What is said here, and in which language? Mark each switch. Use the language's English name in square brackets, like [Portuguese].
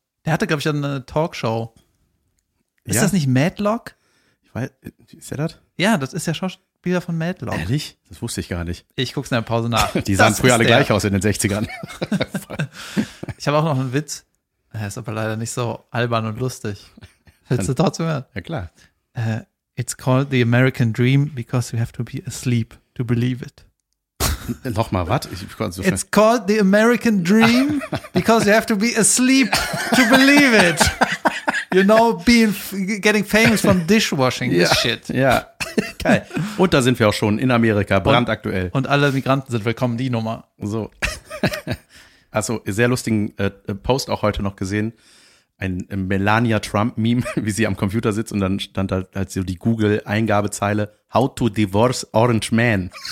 [German] Der hatte, glaube ich, eine Talkshow. Ist ja. Das nicht Matlock? Ich weiß, ist er das? Ja, das ist der Schauspieler von Matlock. Ehrlich? Das wusste ich gar nicht. Ich gucke es in der Pause nach. Die sahen früher alle gleich aus in den 60ern. Ich habe auch noch einen Witz. Er ist aber leider nicht so albern und lustig. Willst du trotzdem hören? Ja, klar. [English] It's called the American Dream because you have to be asleep to believe it. Nochmal, was? It's called the American Dream because you have to be asleep to believe it. You know, getting famous from dishwashing is shit. [German] Ja, geil. Und da sind wir auch schon in Amerika, brandaktuell. Und alle Migranten sind willkommen, die Nummer. So. Also, sehr lustigen Post auch heute noch gesehen. Ein Melania Trump-Meme, wie sie am Computer sitzt und dann stand da halt so die Google-Eingabezeile: [English] How to divorce Orange Man.